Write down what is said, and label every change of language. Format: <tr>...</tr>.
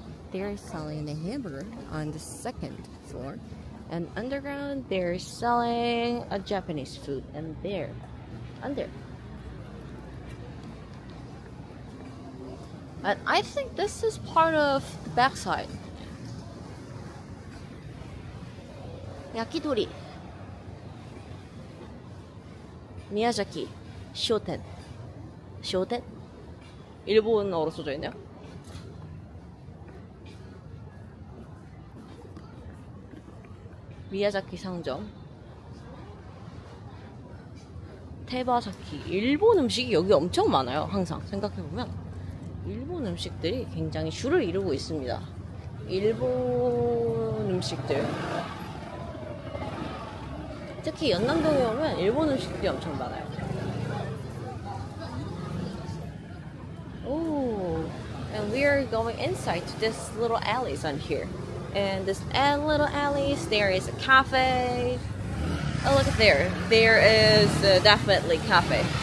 <en>버거 on the second floor and underground they're selling a Japanese food and there under and I think this is part of the backside</en> <ko>야키토리 미야자키 쇼텐 쇼텐 일본어로 써져 있네요. 미야자키 상점 테바자키 일본 음식이 여기 엄청 많아요. 항상 생각해보면 일본 음식들이 굉장히 주를 이루고 있습니다. 일본 음식들 특히 연남동에 오면 일본 음식들이 엄청 많아요. 오,</ko> <en>and we are going inside to this little alleys on here. And this little alley, there is a cafe. Oh, look at there. There is definitely cafe.</en>